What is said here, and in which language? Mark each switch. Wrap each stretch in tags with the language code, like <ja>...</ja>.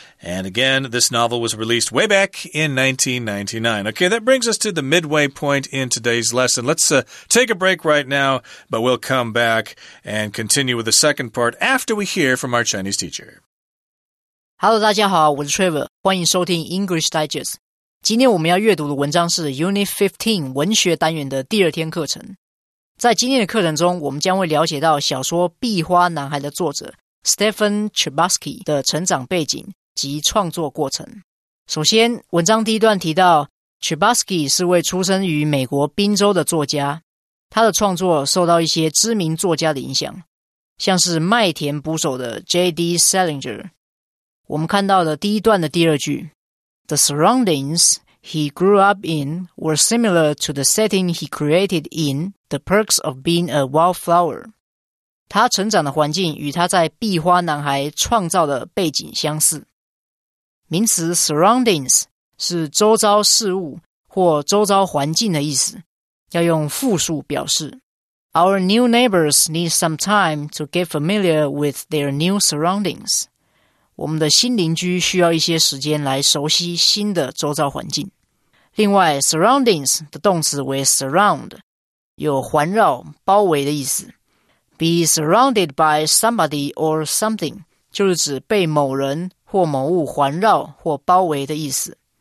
<en>And again, this novel was released way back in 1999. Okay, that brings us to the midway point in today's lesson. Let's take a break right now, but we'll come back and continue with the second part after we hear from our Chinese teacher.</en> <zh>Hello, 大家好，我是 Trevor， 欢迎收听 English Digest。今天我们要阅读的文章是 Unit 15文学单元的第二天课程。在今天的课程中，我们将会了解到小说《壁花男孩》的作者 Stephen Chbosky 的成长背景及创作过程。首先，文章第一段提到 Chbosky 是位出生于美国宾州的作家，他的创作受到一些知名作家的影响，像是麦田捕手的 J.D. Salinger。我们看到的第一段的第二句，</zh> <en>The surroundings he grew up in were similar to the setting he created in The Perks of Being a Wildflower。</en> <zh>他成长的环境与他在《壁花男孩》创造的背景相似。名词 surroundings 是周遭事物或周遭环境的意思，要用复数表示。</zh> <en>Our new neighbors need some time to get familiar with their new surroundings.</en> <zh>我们的新邻居需要一些时间来熟悉新的周遭环境。另外 surroundings 的动词为 surround， 有环绕、包围的意思。</zh> <en>Be surrounded by somebody or something</en> <zh>就是指被某人或某物环绕或包围的意思。</zh>